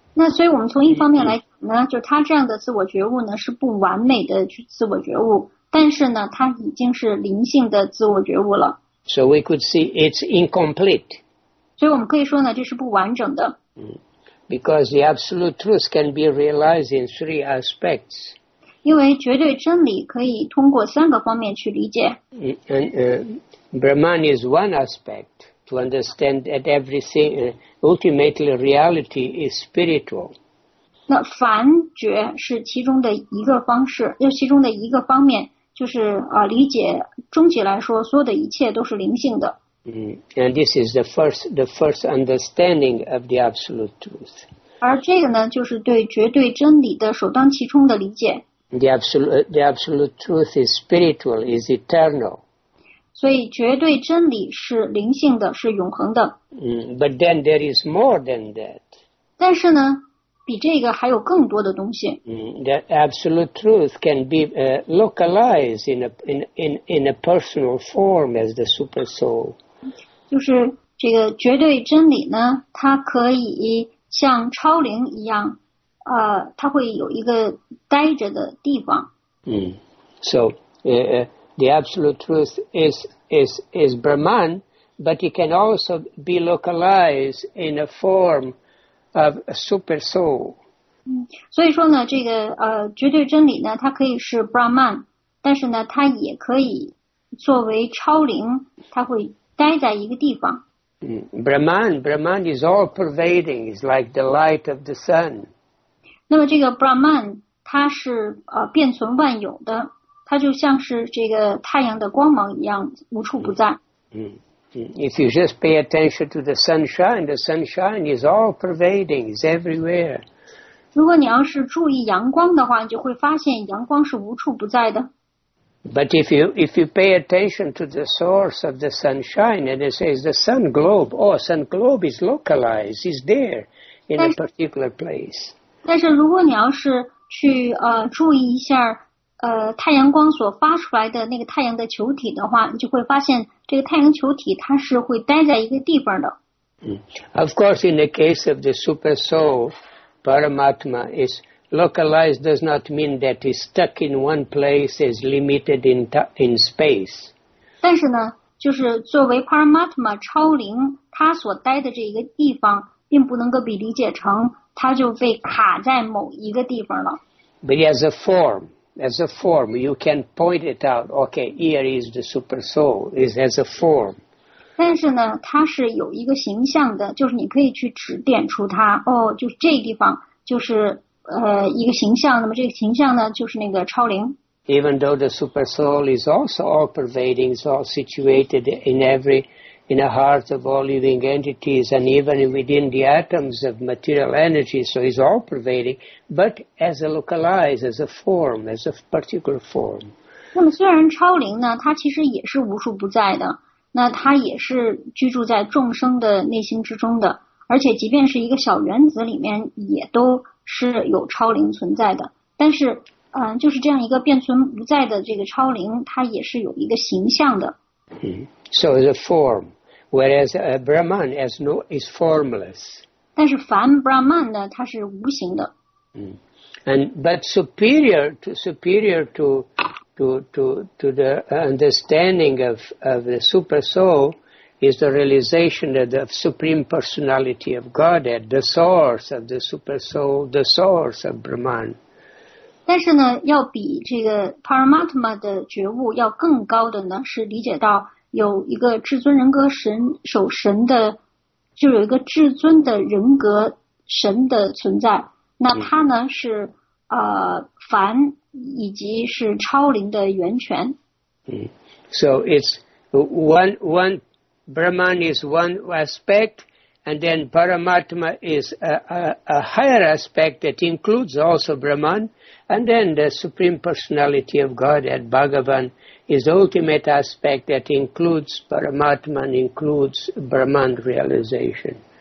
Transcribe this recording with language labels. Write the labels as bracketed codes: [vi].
[zh] 那所以我们从一方面来讲呢，就他这样的自我觉悟呢，是不完美的自我觉悟。但是呢，他已经是灵性的自我觉悟了。 [en] So we could see it's incomplete. [zh] 所以我们可以说呢，这是不完整的。 [en] Because the absolute truth can be realized in three aspects. [zh] 因为绝对真理可以通过三个方面去理解。 [en] Brahman is one aspect to understand that everything, ultimately reality is spiritual. [zh] 那凡觉是其中的一个方式，就其中的一个方面，就是理解终极来说，所有的一切都是灵性的。 [en] And this is the first understanding of the absolute truth. [zh] 而这个呢，就是对绝对真理的首当其冲的理解。 [en] The absolute truth is spiritual, is eternal. [zh] 所以绝对真理是灵性的，是永恒的。 [en] But then there is more than that. [zh] 但是呢，比这个还有更多的东西。 [en] The absolute truth can be localized in a personal form as the super soul. [zh] 就是这个绝对真理呢，它可以像超灵一样，它会有一个待着的地方。 [en] The absolute truth is Brahman, but it can also be localized in a form of a super soul. [zh] 所以说呢，这个绝对真理呢，它可以是 Brahman, 但是呢，它也可以作为超灵，它会待在一个地方。 [en] Brahman is all pervading, is like the light of the sun. [zh] 那么这个 Brahman, 它是遍存万有的。它就像是这个太阳的光芒一样，无处不在。 [en] If you just pay attention to the sunshine is all pervading, is everywhere. [zh] 如果你要是注意阳光的话，你就会发现阳光是无处不在的。 [en] But if you pay attention to the source of the sunshine and it says the sun globe, oh, sun globe is localized, is there in a particular place. [zh] 但是如果你要是去注意一下太阳光所发出来的那个太阳的球体的话，你就会发现这个太阳球体它是会待在一个地方的。 [en] Of course, in the case of the super soul, Paramatma is localized does not mean that it's stuck in one place, is limited in space. [zh] 但是呢，就是作为 Paramatma 超灵，它所待的这个地方并不能够被理解成它就被卡在某一个地方了。 [en] But as a form. As a form, you can point it out. Okay, here is the super soul. Is as a form. [zh] 但是呢，它是有一个形象的，就是你可以去指点出它。哦，就这个地方就是一个形象。那么这个形象呢，就是那个超灵。 [en] Even though the super soul is also all pervading, is all situated in the heart of all living entities, and even within the atoms of material energy, so it's all pervading, but as a localized, as a form, as a particular form. [zh] 那么虽然超灵呢，它其实也是无处不在的，那它也是居住在众生的内心之中的，而且即便是一个小原子里面，也都是有超灵存在的。但是，就是这样一个变存不在的这个超灵，它也是有一个形象的。 [en] So the form, whereas Brahman has no is formless. [zh] 但是凡 Brahman 呢，它是无形的。 [en] But superior to the understanding of the super soul is the realization of the supreme personality of Godhead, the source of the super soul, the source of Brahman. [zh] 但是呢，要比这个 Paramatma 的觉悟要更高的呢，是理解到。有一个至尊人格神守神的，就有一个至尊的人格神的存在。那他呢是凡以及是超灵的源泉。 [en] So it's one Brahman is one aspect, and then Paramatma is a higher aspect that includes also Brahman, and then the supreme personality of God at Bhagavan. Is the ultimate aspect that includes Paramatman, includes Brahman realization.